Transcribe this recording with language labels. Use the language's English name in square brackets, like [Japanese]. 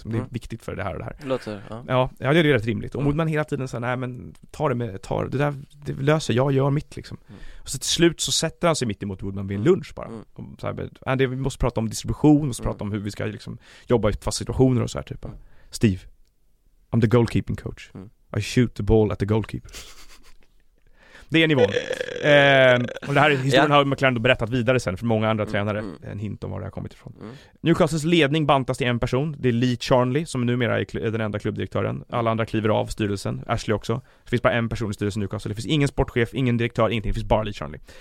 [Swedish] Det är viktigt för det här och det här. Låter, ja. Ja, det är rätt rimligt. Och Woodman hela tiden säger, nej men ta det där, det löser jag, gör mitt liksom. Och så till slut så sätter han sig mitt emot Woodman vid en lunch bara. Och så här, Andy, vi måste prata om distribution, och prata om hur vi ska liksom jobba i fast situationer och så här typ. [English] Steve, I'm the goalkeeping coach. I shoot the ball at the goalkeeper. [Swedish] Det är nivån. Och det här historien har McLaren berättat vidare sen för många andra tränare. En hint om var det har kommit ifrån. Newcastles ledning bantas till en person. Det är Lee Charnley som numera är den enda klubbdirektören. Alla andra kliver av styrelsen. Ashley också. Det finns bara en person i styrelsen i Newcastle. Det finns ingen sportchef, ingen direktör, ingenting. Det finns bara Lee Charnley.